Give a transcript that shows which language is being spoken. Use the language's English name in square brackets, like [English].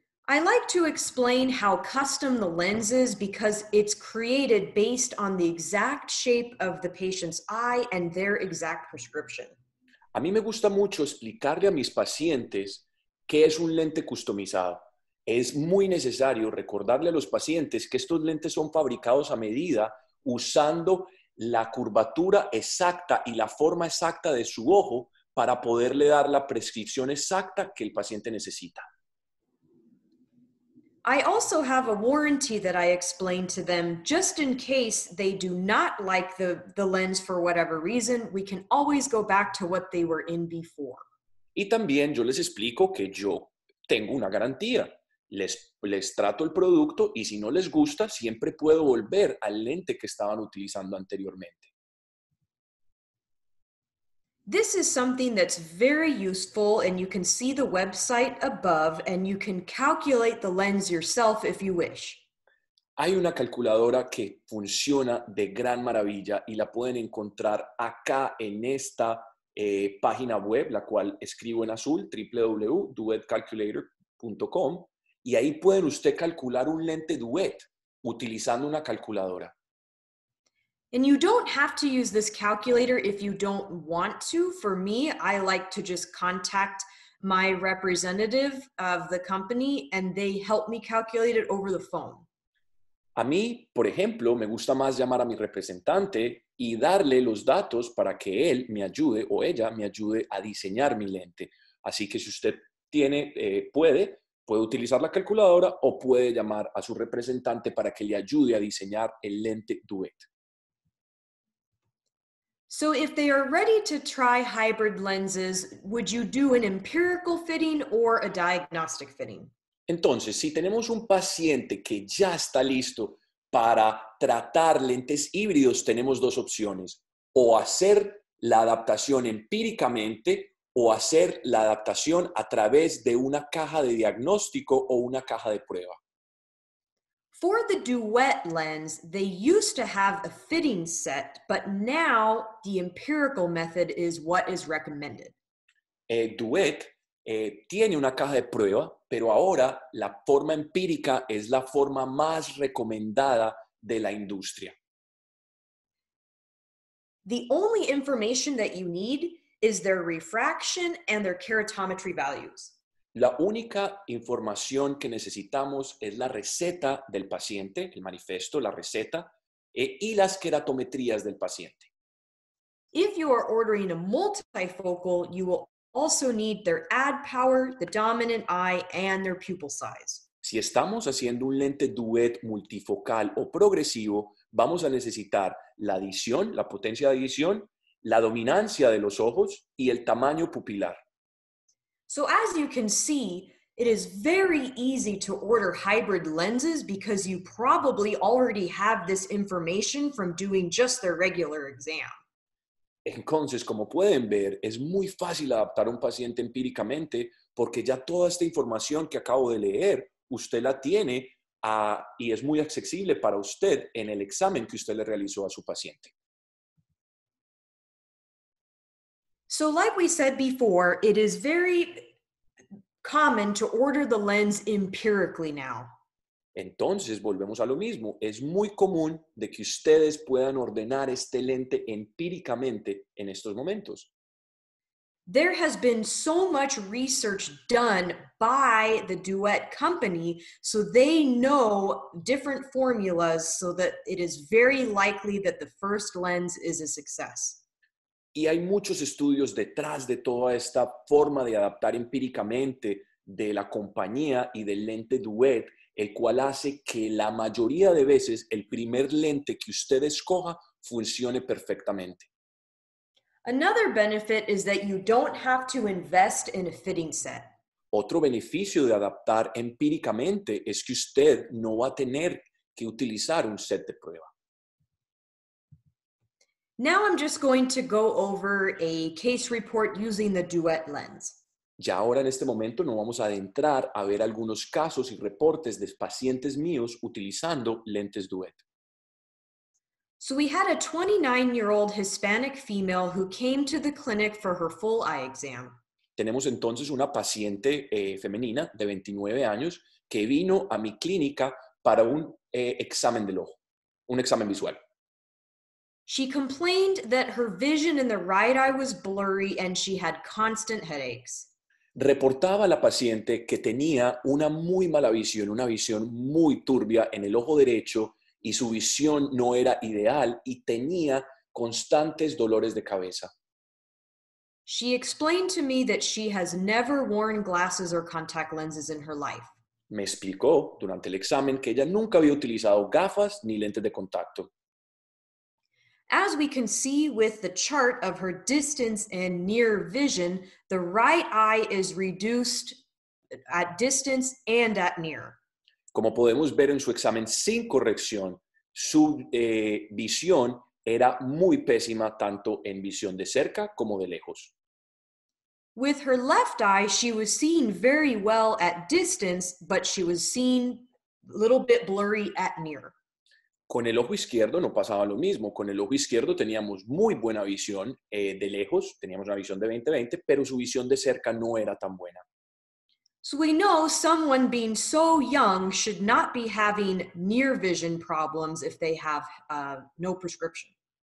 [English] I like to explain how custom the lens is because it's created based on the exact shape of the patient's eye and their exact prescription. [Spanish] A mí me gusta mucho explicarle a mis pacientes qué es un lente customizado. Es muy necesario recordarle a los pacientes que estos lentes son fabricados a medida usando la curvatura exacta y la forma exacta de su ojo para poderle dar la prescripción exacta que el paciente necesita. [English] I also have a warranty that I explain to them just in case they do not like the lens for whatever reason. We can always go back to what they were in before. [Spanish] Y también yo les explico que yo tengo una garantía. Les trato el producto y si no les gusta, siempre puedo volver al lente que estaban utilizando anteriormente. [English] This is something that's very useful, and you can see the website above, and you can calculate the lens yourself if you wish. [Spanish] Hay una calculadora que funciona de gran maravilla y la pueden encontrar acá en esta página web, la cual escribo en azul, www.duetcalculator.com, y ahí pueden usted calcular un lente Duet utilizando una calculadora. [English] And you don't have to use this calculator if you don't want to. For me, I like to just contact my representative of the company and they help me calculate it over the phone. [Spanish] A mí, por ejemplo, me gusta más llamar a mi representante y darle los datos para que él me ayude o ella me ayude a diseñar mi lente. Así que si usted tiene, puede utilizar la calculadora o puede llamar a su representante para que le ayude a diseñar el lente Duet. [English] So if they are ready to try hybrid lenses, would you do an empirical fitting or a diagnostic fitting? [Spanish] Entonces, si tenemos un paciente que ya está listo para tratar lentes híbridos, tenemos dos opciones, o hacer la adaptación empíricamente o hacer la adaptación a través de una caja de diagnóstico o una caja de prueba. [English] For the Duet lens, they used to have a fitting set, but now the empirical method is what is recommended. [Spanish] Duet tiene una caja de prueba, pero ahora la forma empírica es la forma más recomendada de la industria. [English] The only information that you need is their refraction and their keratometry values. [Spanish] La única información que necesitamos es la receta del paciente, el manifiesto, la receta, y las queratometrías del paciente. [English] If you are ordering a multifocal, you will also need their ad power, the dominant eye, and their pupil size. [Spanish] Si estamos haciendo un lente Duet multifocal o progresivo, vamos a necesitar la adición, la potencia de adición, la dominancia de los ojos y el tamaño pupilar. [English] So as you can see, it is very easy to order hybrid lenses because you probably already have this information from doing just their regular exam. [Spanish] Entonces, como pueden ver, es muy fácil adaptar a un paciente empíricamente porque ya toda esta información que acabo de leer, usted la tiene y es muy accesible para usted en el examen que usted le realizó a su paciente. [English] So like we said before, it is very common to order the lens empirically now. [Spanish] Entonces, volvemos a lo mismo. Es muy común de que ustedes puedan ordenar este lente empíricamente en estos momentos. [English] There has been so much research done by the Duet company, so they know different formulas so that it is very likely that the first lens is a success. [Spanish] Y hay muchos estudios detrás de toda esta forma de adaptar empíricamente de la compañía y del lente Duet, el cual hace que la mayoría de veces el primer lente que usted escoja funcione perfectamente. [English] Another benefit is that you don't have to invest in a fitting set. [Spanish] Otro beneficio de adaptar empíricamente es que usted no va a tener que utilizar un set de prueba. [English] Now I'm just going to go over a case report using the Duet lens. [Spanish] Ya ahora en este momento nos vamos a adentrar a ver algunos casos y reportes de pacientes míos utilizando lentes Duet. [English] So we had a 29-year-old Hispanic female who came to the clinic for her full eye exam. [Spanish] Tenemos entonces una paciente femenina de 29 años que vino a mi clínica para un examen del ojo, un examen visual. [English] She complained that her vision in the right eye was blurry and she had constant headaches. [Spanish] Reportaba a la paciente que tenía una muy mala visión, una visión muy turbia en el ojo derecho y su visión no era ideal y tenía constantes dolores de cabeza. [English] She explained to me that she has never worn glasses or contact lenses in her life. [Spanish] Me explicó durante el examen que ella nunca había utilizado gafas ni lentes de contacto. [English] As we can see with the chart of her distance and near vision, the right eye is reduced at distance and at near. [Spanish] Como podemos ver en su examen sin corrección, su visión era muy pésima tanto en visión de cerca como de lejos. [English] With her left eye, she was seen very well at distance, but she was seen a little bit blurry at near. [Spanish] Con el ojo izquierdo no pasaba lo mismo. Con el ojo izquierdo teníamos muy buena visión de lejos, teníamos una visión de 20-20, pero su visión de cerca no era tan buena. [English] So we know someone being so young should not be having near vision problems if they have no prescription.